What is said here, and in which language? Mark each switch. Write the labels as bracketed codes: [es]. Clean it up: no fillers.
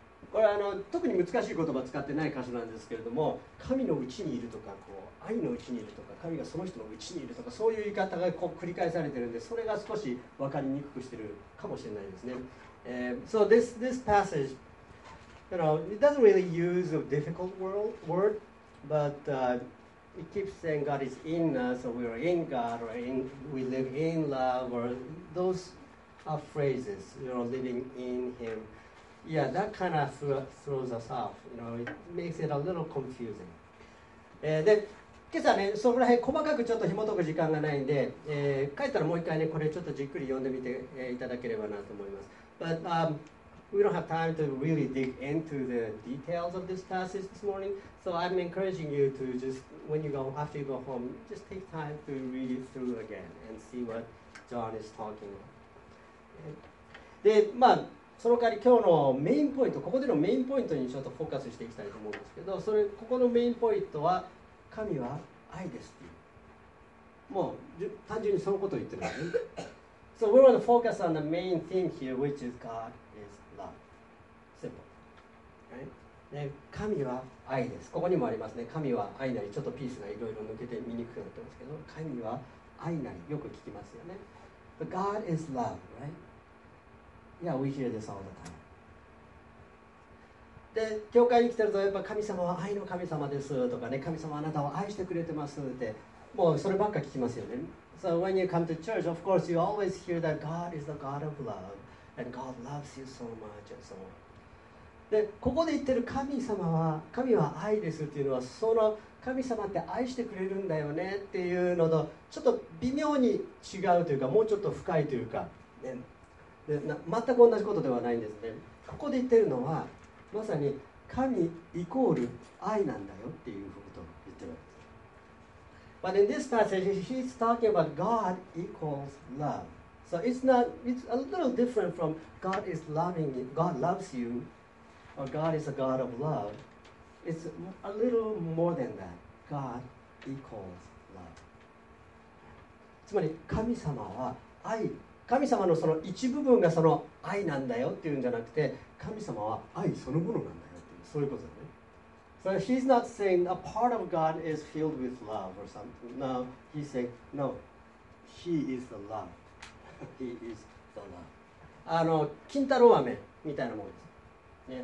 [ja] これは特に難しい言葉を使ってない箇所なんですけれども、神のうちにいるとか、こう愛のうちにいるとか、神がその人のうちにいるとか、そういう言い方がこう繰り返されているので、それが少し分かりにくくしているかもしれないですね。 [en] So this passage, you know, it doesn't really use a difficult word, but it keeps saying God is in us, so we are in God, or in, we live in love, or those are phrases, you know, living in Him. Yeah, that kind of throws us off. You know, it makes it a little confusing. [ja] で、今朝ね、そこら辺細かくちょっと紐解く時間がないんで、帰ったらもう一回ね、これちょっとじっくり読んでみて、いただければなと思います。 [en] But we don't have time to really dig into the details of this passage this morning. So I'm encouraging you to just, when you go, after you go home, just take time to read it through again and see what John is talking about. [ja] で、まあ、その代わり今日のメインポイント、ここでのメインポイントにちょっとフォーカスしていきたいと思うんですけど、それここのメインポイントは神は愛ですっていう。もう単純にそのことを言ってるわけ。 [en] So we want to focus on the main theme here, which is God is love. Simple. Right? [ja] 神は愛です。ここにもありますね。神は愛なり。ちょっとピースがいろいろ抜けて見にくくなってますけど、神は愛なり。よく聞きますよね。 [en] But God is love, right? Yeah, we hear this all the time. [ja] で教会に来てるとやっぱ神様は愛の神様ですとかね、神様はあなたを愛してくれてますって、もうそればっか聞きますよね。 [en] So when you come to church, of course you always hear that God is the God of love and God loves you so much and so on. [ja] でここで言ってる神様は、神は愛ですっていうのは、その神様って愛してくれるんだよねっていうのとちょっと微妙に違うというか、もうちょっと深いというか、ね、で全く同じことではないんですね。ここで言ってるのはまさに神イコール愛なんだよっていうことを言ってるわけです。 [en] But in this passage, he's talking about God equals love. So it's a little different from God is loving you, God loves you, or God is a God of love. It's a little more than that. God equals love. [ja] つまり神様は愛、神様のその一部分がその愛なんだよっていうんじゃなくて、神様は愛そのものなんだよっていう、そういうことだね。 [en] So he's not saying a part of God is filled with love or something. No, he's saying, no, he is the love. He is the love. [ja] あの、金太郎飴みたいなものです。